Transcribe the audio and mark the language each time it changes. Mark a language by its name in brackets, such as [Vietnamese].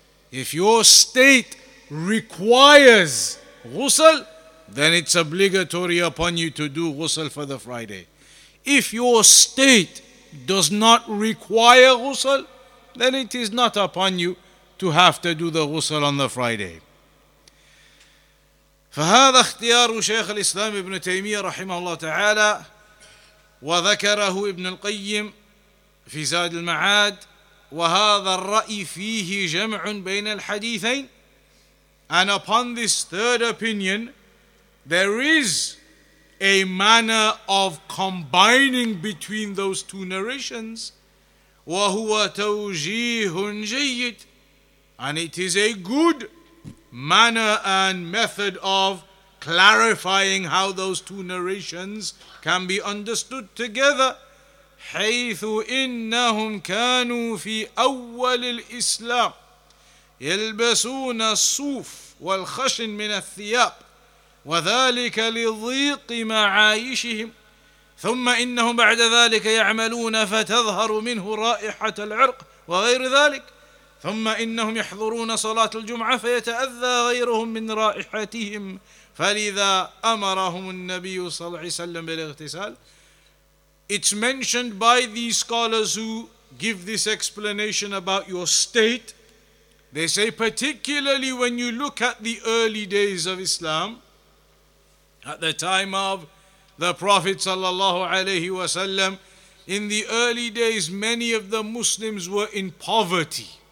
[English] If your state requires ghusl, then it's obligatory upon you to do ghusl for the Friday. If your state does not require ghusl, then it is not upon you to have to do the ghusl on the Friday. [Arabic] فهذا اختيار شيخ الإسلام ابن تيمية رحمه الله تعالى وذكره ابن القيم في زاد المعاد وهذا الرأي فيه جمع بين الحديثين. [English] And upon this third opinion, there is a manner of combining between those two narrations. [Arabic] وَهُوَ تَوْجِيهٌ جَيِّدٌ. [English] And it is a good manner and method of clarifying how those two narrations can be understood together. [Arabic] حَيْثُ إِنَّهُمْ كَانُوا فِي أَوَّلِ الْإِسْلَامِ يَلْبَسُونَ الصُّوفَ والخشن من الثياب وذلك لضيق معايشهم ثم إنهم بعد ذلك يعملون فتظهر منه رائحة العرق وغير ذلك ثم إنهم يحضرون صلاة الجمعة فيتأذى غيرهم من رائحتهم فلذا أمرهم النبي صلى الله عليه وسلم بالاغتسال. [English] It's mentioned by these scholars who give this explanation about your state. They say, particularly when you look at the early days of Islam, at the time of the Prophet sallallahu alayhi wa sallam, in the early days, many of the Muslims were in poverty.